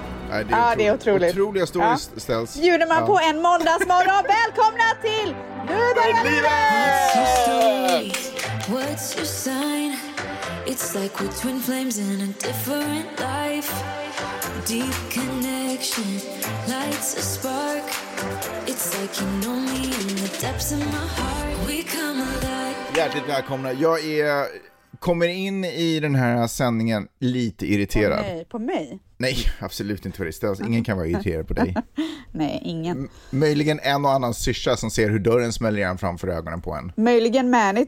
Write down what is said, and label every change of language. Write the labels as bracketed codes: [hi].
[sv] Nej, det är det är otroligt. Otroliga stories ställs. Bjuder man på en måndagsmorgon. Välkomna till Nu börjar livet. [en] What's your sign? It's like we're twin flames in a different life. Deep connection lights a spark. It's like you know me in the depths of my heart. We come alive. [sv] Hjärtligt välkomna. Jag är kommer in i den här sändningen lite irriterad. Nej, på mig? Nej, absolut inte för dig. Ställs. Ingen kan vara irriterad på dig. Nej, ingen. Möjligen en och annan syssa som ser hur dörren smäller igen framför ögonen på en. Möjligen Manny.